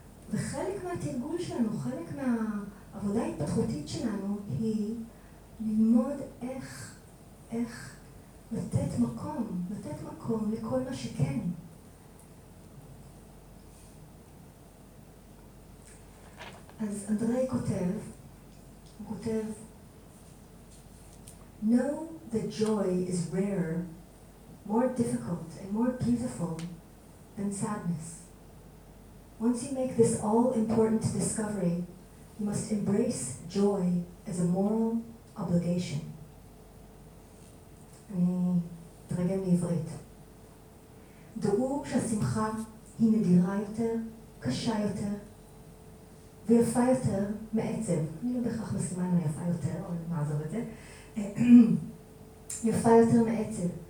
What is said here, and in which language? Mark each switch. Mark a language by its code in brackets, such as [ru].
[he] וחלק מהתרגול שלנו, חלק מהעבודה ההתפתחותית שלנו, היא ללמוד איך לתת מקום לכל מה שכן. אז אנדרי כותב, הוא כותב, [en] "Know that joy is rarer, more difficult and more beautiful than sadness. Once you make this all-important discovery, you must embrace joy as a moral obligation." [he] אני אתרגם לעברית. דעו שהשמחה היא נדירה יותר, קשה יותר, ויפה יותר מעצב. אני לא בהכרח מסכימה אם היפה יותר, או מה זאת אומרת. יפה יותר מעצב.